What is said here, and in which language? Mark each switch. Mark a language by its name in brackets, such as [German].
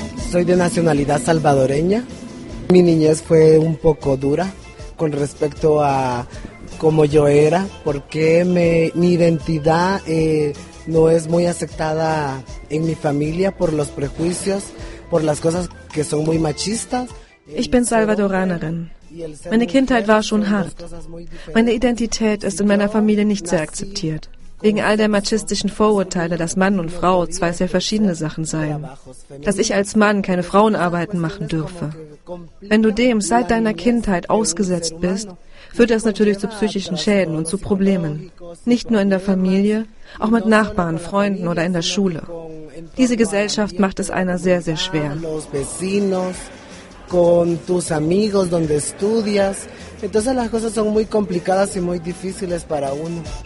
[Spanish] Soy de nacionalidad salvadoreña. Mi niñez fue un poco dura con respecto a cómo yo era, porque mi identidad no es muy aceptada en mi familia por los prejuicios. [German] Ich bin Salvadoranerin. Meine Kindheit war schon hart. Meine Identität ist in meiner Familie nicht sehr akzeptiert. Wegen all der machistischen Vorurteile, dass Mann und Frau zwei sehr verschiedene Sachen seien. Dass ich als Mann keine Frauenarbeiten machen dürfe. Wenn du dem seit deiner Kindheit ausgesetzt bist, führt das natürlich zu psychischen Schäden und zu Problemen. Nicht nur in der Familie, auch mit Nachbarn, Freunden oder in der Schule. Diese Gesellschaft macht es einer sehr, sehr schwer. [Spanish] Los vecinos, con tus amigos, donde estudias. Entonces las cosas son muy complicadas y muy difíciles para uno.